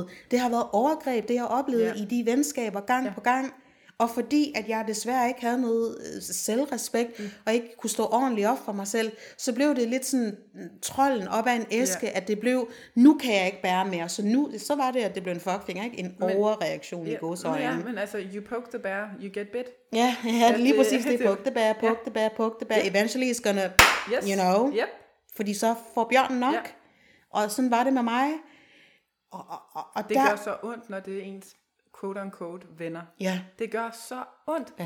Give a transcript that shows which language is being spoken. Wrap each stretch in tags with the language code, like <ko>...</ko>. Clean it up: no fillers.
<da>Det har været overgreb, det jeg oplevede i de venskaber gang på gang. Og fordi at jeg desværre ikke havde noget selvrespekt, og ikke kunne stå ordentligt op for mig selv, så blev det lidt sådan trolden op ad en æske, at det blev, nu kan jeg ikke bære mere. Så nu så var det, at det blev en fuckfinger, ikke? Overreaktion i gåseøjne. Ja, men altså,</da> <en>you poke the bear, you get bit.</en> <da>Ja, det er lige præcis det. Poke the bear. Yeah. Eventually it's gonna, you know. Yep. Fordi så får bjørnen nok. Yeah. Og sådan var det med mig. Og det gør så ondt, når det er ens</da> <en>quote unquote,</en> <da>venner. Ja. Det gør så ondt. Ja.</da>